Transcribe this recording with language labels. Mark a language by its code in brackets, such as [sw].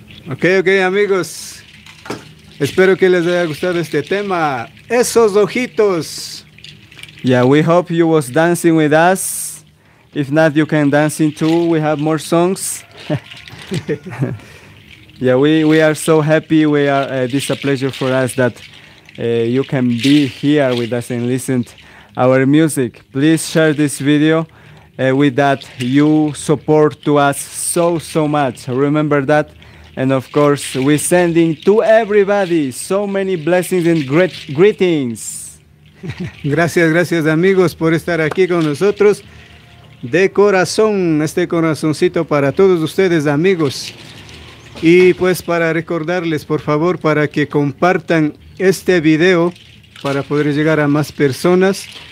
[es] ok, amigos, espero que les haya gustado este tema, esos ojitos. [en] Yeah, we hope you was dancing with us. If not, you can dance in too. We have more songs. Yeah, we are so happy. We are this is a pleasure for us that you can be here with us and listen to our music. Please share this video with that you support to us so much. Remember that. And of course, we're sending to everybody so many blessings and great greetings. [es] Gracias, gracias, amigos, por estar aquí con nosotros. De corazón, este corazoncito para todos ustedes, amigos. Y pues para recordarles, por favor, para que compartan este video para poder llegar a más personas.